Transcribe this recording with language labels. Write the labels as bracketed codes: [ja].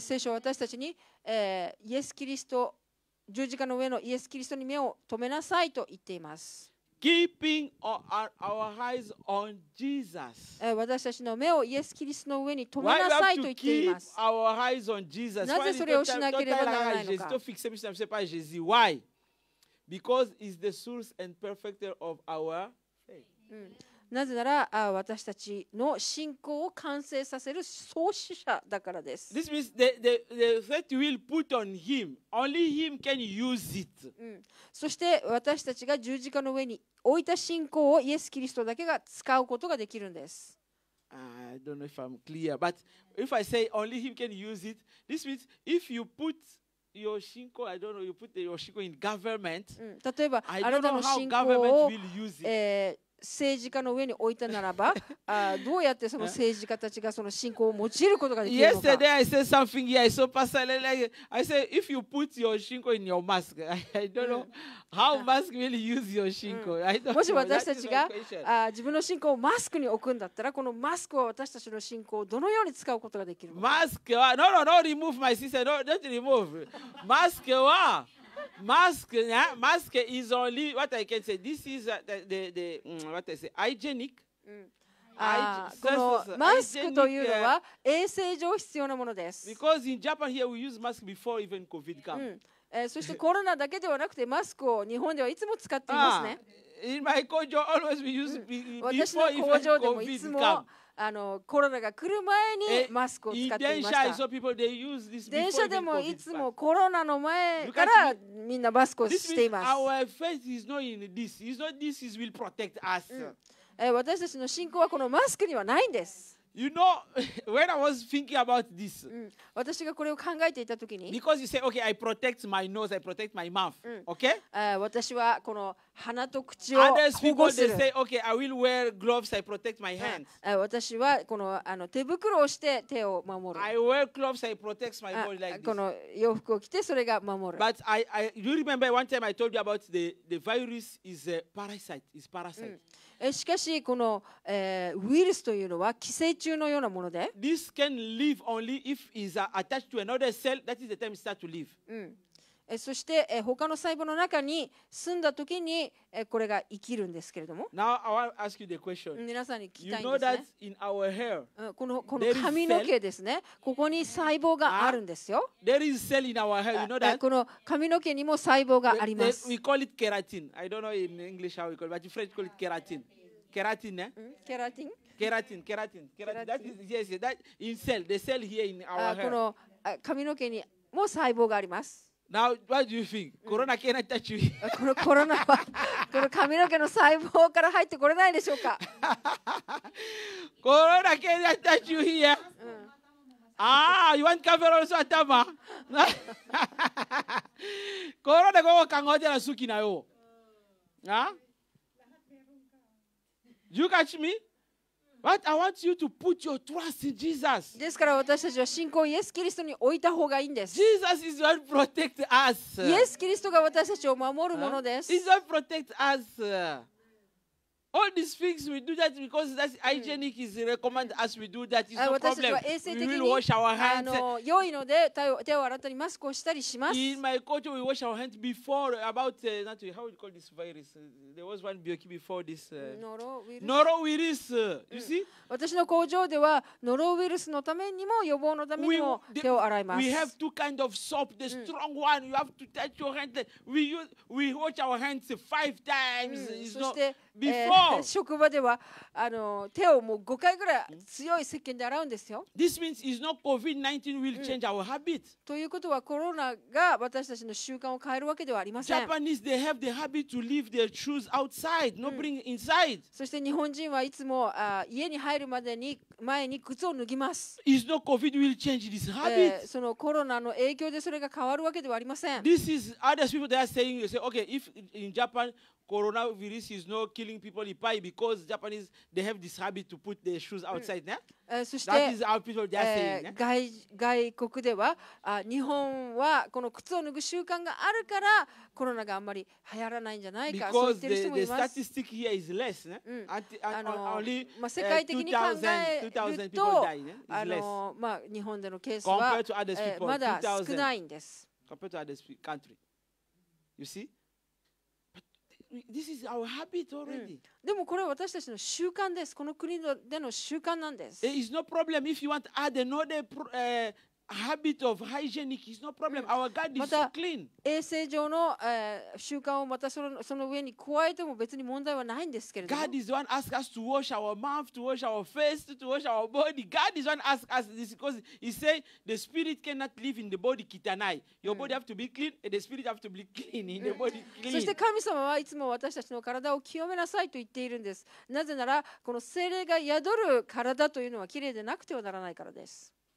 [ja] 聖書は私たちに、イエスキリスト十字架の上のイエスキリストに目を止めなさいと言っています。 [en] Keeping our eyes on Jesus. [ja] 私たちの目をイエス・キリストの上に留めなさいと言っています。 [en] Keep our eyes on Jesus. [ja] なぜそれをしなければならないのか。 [en] Jesus, don't fix me, I'm saying, Jesus. Why? Because he's the source and perfecter of our faith. [ja] なぜなら私たちの信仰を完成させる創始者だからです。 [en] This means the faith will put on him. Only him can use it. [ja] そして私たちが十字架の上に置いた信仰をイエス・キリストだけが使うことができるんです。 [en] I don't know if I'm clear, but if I say only him can use it, this means if you put your 信仰, I don't know, you put your 信仰 in government, [ja] 例えばあなたの信仰を、政治家の上に置いたならば、どうやってその政治家たちがその信仰を用いることができるのか。 [en] Yesterday I said something here, I saw Pastor Lele. I said if you put your shinko in your mask, I don't know how mask really use your shinko. [ja] もし私たちが自分の信仰をマスクに置くんだったら、このマスクは私たちの信仰をどのように使うことができるのか。マスクは、 [en] no, remove my sister, don't remove. マスクは。Mask, yeah. Mask is only what I can say. This is the what I say, hygienic. [ja] このマスクというのは衛生上必要なものです。 [en] Because in Japan here we use mask before even COVID come. [ja] そしてコロナだけではなくてマスクを日本ではいつも使っていますね。 [en] In my 工場 always we use before even COVID come. [ja] 私の工場でもいつもコロナが来る前にマスクを使っていました。電車、 [en] people, they use this [ja] 電車でもいつもコロナの前からみんなマスクをしています。私たちの信仰はこのマスクにはないんです。 [en] You know, when I was thinking about this, [ja] 私がこれを考えていた時に、 [en] because you say, okay, I protect my nose, I protect my mouth, okay? [ja] 私はこの鼻と口を保護する。 [en] Others people they say, okay, I will wear gloves, I protect my hands. [ja] 私はこの手袋をして手を守る。 [en] I wear gloves, I protect my body like this. [ja] この洋服を着てそれが守る。 [en] But I you remember one time I told you about the virus is a parasite, is parasite. [ja] しかしこの、ウイルスというのは寄生虫のようなもので、 [en] This can live only if it's attached to another cell. That is the time it starts to live. [ja] そして、他の細胞の中に住んだときに、これが生きるんですけれども。 [en] Now I want to ask you the question. [ja] 皆さんに聞きたいんですね。 [en] You know that in our hair, [ja] この髪の毛ですね。ここに細胞があるんですよ。 [en] There is cell in our hair. You know that. [ja] この髪の毛にも細胞があります。 [en] We call it keratin. I don't know in English how we call it, but in French call it keratin. Keratin, ne? Keratin. Keratin, keratin, keratin. That is yes, that in cell, the cell here in our hair. [ja] この髪の毛にも細胞があります。 [en] Now, what do you think? Corona cannot touch you. [ja] このコロナはこの髪の毛の細胞から入ってこれないでしょうか。 [en] コロナ cannot touch you here. you want cover also at Tama? Corona go kango jana suki na yo. You catch me? But I want you to put your trust in Jesus. [ja] ですから私たちは信仰をイエス・キリストに置いた方がいいんです。 [en] Jesus is what protects us. [ja] イエス・キリストが私たちを守るものです。 [en] He's what protects us. All these things we do that because that's hygienic is recommended as we do that. It's no problem. [ja] 私たちは衛生的に [en] we will wash our hands. [ja] 良いので手を洗ったりマスクをしたりします。 [en] In my culture, we wash our hands before about not how we call this virus. There was one bioki before this. Norovirus. You see? [ja] 私の工場ではノロウイルスのためにも予防のためにも手を洗います。 [en] We have two kind of soap. The strong one you have to touch your hands. We wash our hands five times. It's not before. [ja] 職場では手をもう5回ぐらい強い石鹸で洗うんですよ。 [en] This means it's not COVID-19 will change our habit. [ja] ということはコロナが私たちの習慣を変えるわけではありません。 [en] Japanese they have the habit to leave their shoes outside, not bring inside. [ja] そして日本人はいつも家に入るまでに前に靴を脱ぎます。 [en] It's not COVID will change this habit. [ja] そのコロナの影響でそれが変わるわけではありません。 [en] This is other people they are saying. You say, okay, if in Japan. Coronavirus is not killing people in because Japanese they have this habit to put their shoes outside. [ja] そして、 [en] that is how people they are saying. [ja] 外国では日本はこの靴を脱ぐ習慣があるからコロナがあんまり流行らないんじゃないか。 [en] Because [ja] そう言ってる人もいます。 [en] The statistic here is less. Only [ja] 世界的に考えると、日本でのケースは [en] compared to other people, [ja] まだ少ないんです。 [en] Compared to other country, you see. This is our habit already. [ja] でもこれは私たちの習慣です。この国での習慣なんです。 [en] It's no problem if you want to add another habit of hygienic. It's no problem. Our God is so clean. [ja] また衛生上の習慣をまたその上に加えても別に問題はないんですけれども。 [en] God is the one ask us to wash our mouth, to wash our face, to wash our body. God is the one ask us this because He say the spirit cannot live in the body [ja] kitanai. [en] Your body have to be clean, and the spirit have to be clean in the body clean. [ja] そして神様はいつも私たちの体を清めなさいと言っているんです。なぜならこの聖霊が宿る体というのは綺麗でなくてはならないからです。